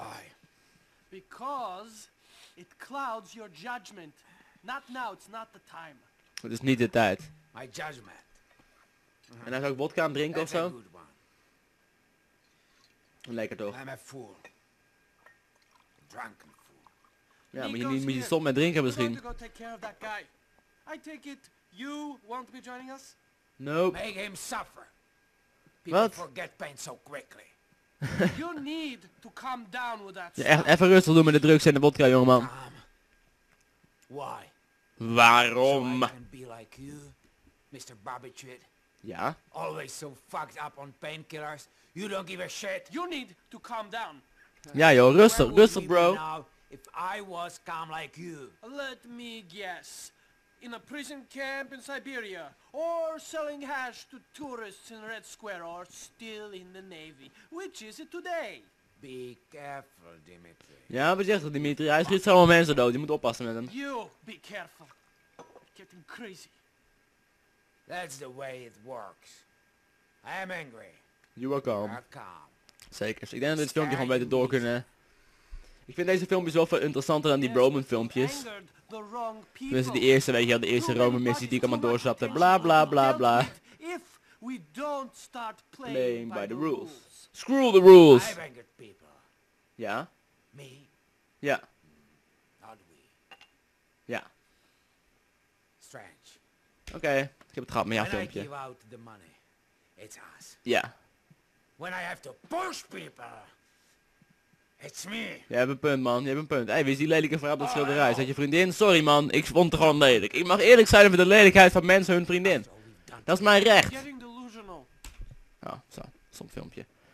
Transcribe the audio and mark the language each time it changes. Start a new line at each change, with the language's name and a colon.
English: Why? Because it clouds your judgment. Not now, it's not the time.
Dutch: Het is niet de tijd.
English: My judgment.
Dutch: En hij zou ook vodka aan het drinken ofzo? Lekker toch?
English: I'm a fool. Drunken fool.
Dutch: Ja, maar je moet je stom met drinken misschien.
English: I want to go take care of that guy. I take it you won't be joining us? Nope. Make him suffer. People what? Forget pain so quickly. You need to calm down with that.
Dutch: Ja, even rustig doen met de drugs en de vodka, jongeman.
English: Why?
Dutch: Waarom?
English: So I can be like you, Mr. Barbiturid.
Dutch: Ja.
English: Always so fucked up on painkillers. You don't give a shit. You need to calm down.
Dutch: Ja, joh, rustig, rustig, bro.
English: If I was calm like you. Let me guess. In a prison camp in Siberia, or selling hash to tourists in Red Square, or still in the Navy. Which is it today? Be careful, Dimitri.
Dutch: Ja, wat zegt Dimitri? Hij schiet zoveel mensen dood. Je moet oppassen met hem.
English: You be careful. Getting crazy. That's the way it works. I am angry. You are calm. You are calm.
Dutch: Zeker. Ik denk dat dit filmpje gewoon beter door kunnen. Ik vind deze filmpjes wel veel interessanter dan die Broman filmpjes. Dus die eerste, weet je wel, de eerste Rome missie die ik allemaal doorzapte. Bla bla bla bla.
English: If we don't start playing by the rules. Screw the rules. I've angered people.
Dutch: Ja?
English: Me?
Dutch: Ja.
English: Not we.
Dutch: Ja.
English: Strange.
Dutch: Oké, ik heb het gehad met jouw filmpje.
English: When I give out the money, it's us.
Dutch: Ja.
English: When I have to push people. It's me.
Dutch: Je hebt een punt, man. Je hebt een punt. Hé, hey, wie is die lelijke vrouw op dat schilderij? Is dat je vriendin? Sorry, man. Ik vond het gewoon lelijk. Ik mag eerlijk zijn over de lelijkheid van mensen hun vriendin. Dat is mijn recht. Oh, zo. Stom filmpje.